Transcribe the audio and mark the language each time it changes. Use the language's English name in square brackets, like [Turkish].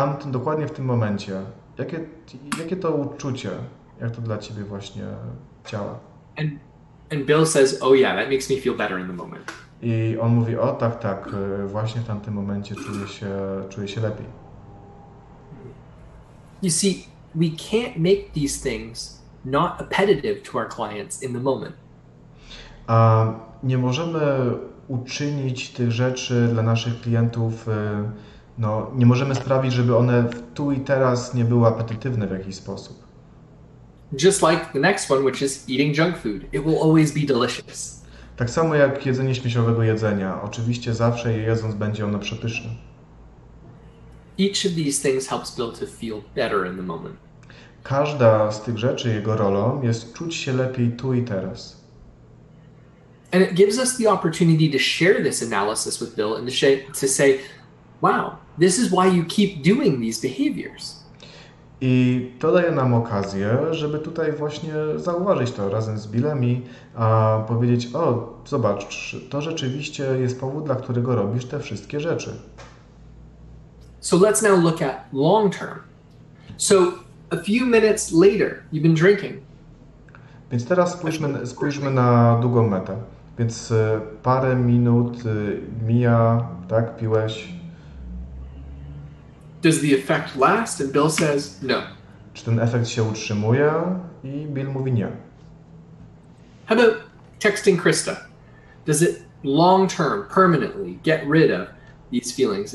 [Polish] Dokładnie w tym momencie, jakie to uczucie, jak to dla ciebie właśnie działa? [English] And Bill says, oh yeah, that makes me feel better in the moment. [Polish] I on mówi, o tak, tak, właśnie w tamtym momencie czuję się lepiej. [English] You see, we can't make these things not appetitive to our clients in the moment. [Polish] Nie możemy uczynić tych rzeczy dla naszych klientów, no, nie możemy sprawić, żeby one tu i teraz nie były apetytywne w jakiś sposób. [English] Just like the next one, which is eating junk food. It will always be delicious. [Polish] Tak samo jak jedzenie śmieciowego jedzenia. Oczywiście zawsze je jedząc będzie ono przepyszne. [English] Each of these things helps Bill to feel better in the moment. [Polish] Każda z tych rzeczy jego rolą jest czuć się lepiej tu i teraz. [English] And it gives us the opportunity to share this analysis with Bill and to say, wow, this is why you keep doing these behaviors. [Polish] I to daje nam okazję, żeby tutaj właśnie zauważyć to razem z Billem i powiedzieć, o, zobacz, to rzeczywiście jest powód, dla którego robisz te wszystkie rzeczy. [English] So let's now look at long term. So a few minutes later, you've been drinking. [Polish] Więc teraz spójrzmy na długą metę. Więc parę minut mija, tak, piłeś. [English] Does the effect last? And Bill says no. [Polish] Czy ten efekt się utrzymuje? I Bill mówi nie. [English] How about texting Krista? Does it long term, permanently get rid of these feelings?